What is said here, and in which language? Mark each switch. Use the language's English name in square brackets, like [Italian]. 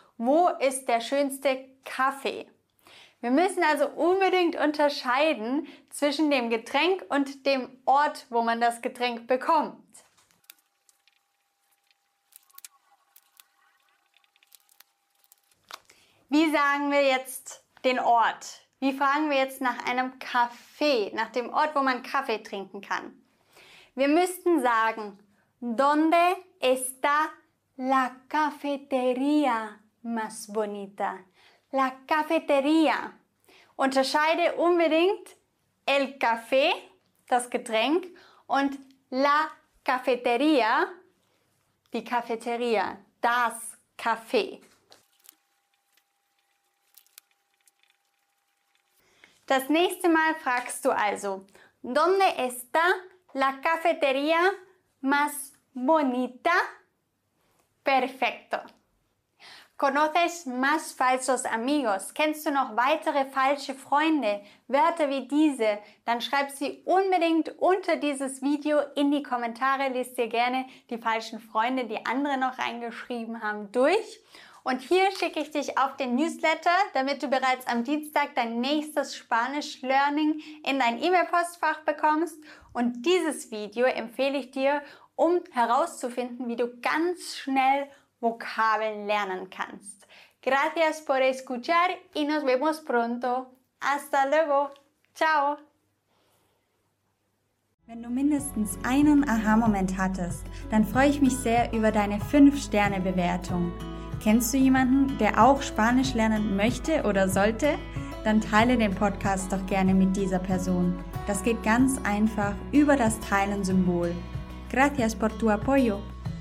[German] Wo ist der schönste Kaffee? Wir müssen also unbedingt unterscheiden zwischen dem Getränk und dem Ort, wo man das Getränk bekommt. Wie sagen wir jetzt den Ort? Wie fragen wir jetzt nach einem Café, nach dem Ort, wo man Kaffee trinken kann? Wir müssten sagen, [Spanish] ¿Dónde está la cafetería más bonita? [German] La cafetería. Unterscheide unbedingt el café, das Getränk, und la cafetería, die Cafeteria, das Café. Das nächste Mal fragst du also, [Spanish] ¿Dónde está la cafetería más bonita? Perfecto. ¿Conoces más falsos amigos? [German] Kennst du noch weitere falsche Freunde? Wörter wie diese? Dann schreib sie unbedingt unter dieses Video in die Kommentare. Lies dir gerne die falschen Freunde, die andere noch reingeschrieben haben, durch. Und hier schicke ich dich auf den Newsletter, damit du bereits am Dienstag dein nächstes Spanisch-Learning in dein E-Mail-Postfach bekommst. Und dieses Video empfehle ich dir, um herauszufinden, wie du ganz schnell Vokabeln lernen kannst. [Spanish] Gracias por escuchar y nos vemos pronto. Hasta luego. Ciao. [German] Wenn du mindestens einen Aha-Moment hattest, dann freue ich mich sehr über deine 5-Sterne-Bewertung. Kennst du jemanden, der auch Spanisch lernen möchte oder sollte? Dann teile den Podcast doch gerne mit dieser Person. Das geht ganz einfach über das Teilen-Symbol. [Spanish] Gracias por tu apoyo.